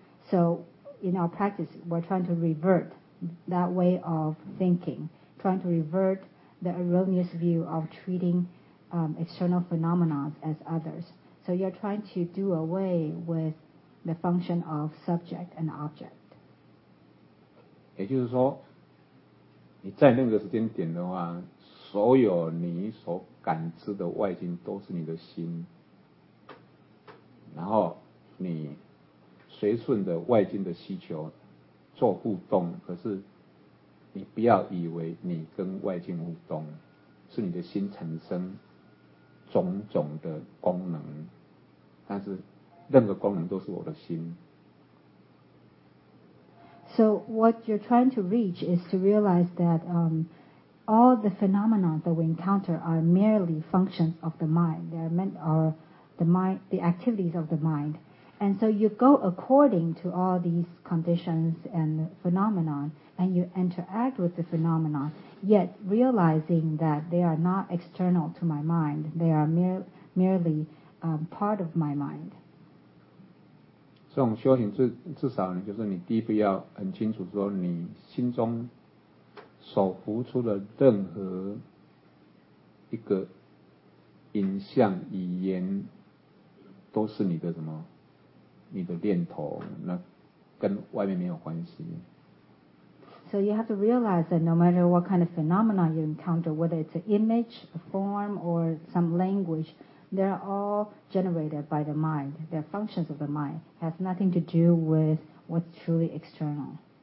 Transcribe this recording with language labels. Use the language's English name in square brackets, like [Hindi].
[English] So in our practice, we're trying to revert that way of thinking, trying to revert the erroneous view of treating external phenomena as others. So you're trying to do away withThe function of subject and object. [Chinese] 也就是说，你在那个时间点的话，所有你所感知的外境都是你的心，然后你随顺的外境的需求做互动，可是你不要以为你跟外境互动，是你的心产生种种的功能，但是。任何功能都是我的心。 [English] So what you're trying to reach is to realize that all the phenomena that we encounter are merely functions of the mind. They are meant are the mind, the activities of the mind. And so you go according to all these conditions and phenomena, and you interact with the phenomena. Yet realizing that they are not external to my mind, they are merely part of my mind. [Chinese] 这种修行至少呢，就是你第一步要很清楚说你心中所浮出的任何一个影像语言都是你的什么，你的念头，那跟外面没有关系。 [English] So you have to realize that no matter what kind of phenomena you encounter, whether it's an image, a form, or some language,They're all generated by the mind. They're functions of the mind. It has nothing to do with what's truly external.